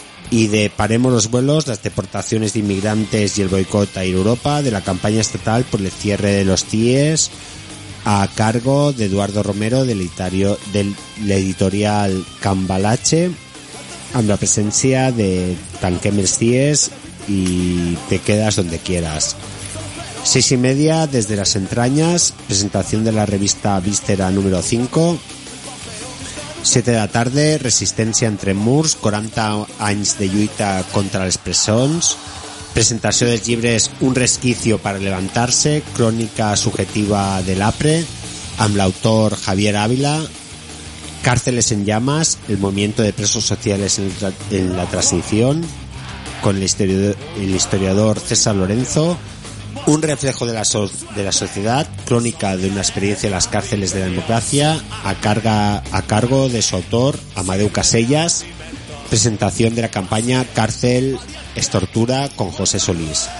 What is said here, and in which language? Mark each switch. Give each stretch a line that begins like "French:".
Spanish: Y de Paremos los vuelos, las deportaciones de inmigrantes y el boicot a ir a Europa, de la campaña estatal por el cierre de los CIEs, a cargo de Eduardo Romero, del editorial Cambalache, con la presencia de Tanquem els CIEs y Te quedas donde quieras. 6:30, desde las entrañas, presentación de la revista Víscera número 5.
Catalan: 7 de la tarde, resistència entre murs, 40 anys de lluita contra les presons, presentació dels llibres Un resquicio para levantarse, crònica subjetiva de l'APRE, amb l'autor Javier Ávila, Cárceles en llamas, el movimiento de presos sociales en la transición,
Spanish: con el historiador César Lorenzo, Un reflejo de la sociedad, crónica de una experiencia en las cárceles de la democracia, a cargo de su autor, Amadeu Casellas, presentación de la campaña Cárcel es tortura con José Solís.